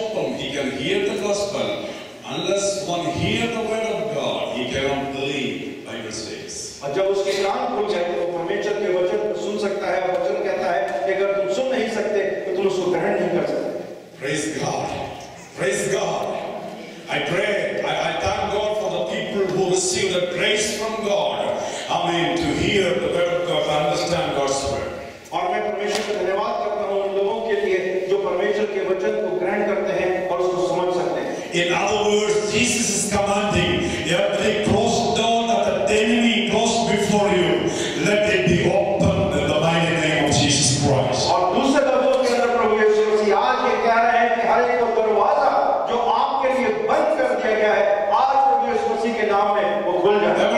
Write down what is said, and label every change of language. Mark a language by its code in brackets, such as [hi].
[en] unless one hears the word of God, he cannot believe by his face. [hi] और जब उसके कान खुल जाए तो परमेश्वर के वचन को सुन सकता है और वचन कहता है कि अगर तुम सुन नहीं सकते तो तुम उसको ग्रहण नहीं कर सकते. [en] Praise God. Praise God. I pray. I thank God for the people who receive the grace from God. Amen. To hear the word of God, understand God's word. [hi] और मैं परमेश्वर का धन्यवाद करता हूँ उन लोगों के लिए जो परमेश्वर के वचन को ग्रहण करते हैं और उसको समझ सकते हैं. [en] In other words, Jesus is commanding every closed door that the enemy goes before you, let it be opened in the mighty name of Jesus Christ. [hi] और दूसरे शब्दों के अंदर प्रभु यीशु मसीह आज ये कह रहे हैं कि हर एक दरवाजा जो आपके लिए बंद कर दिया गया है आज प्रभु यीशु मसीह के नाम में वो खुल जाए.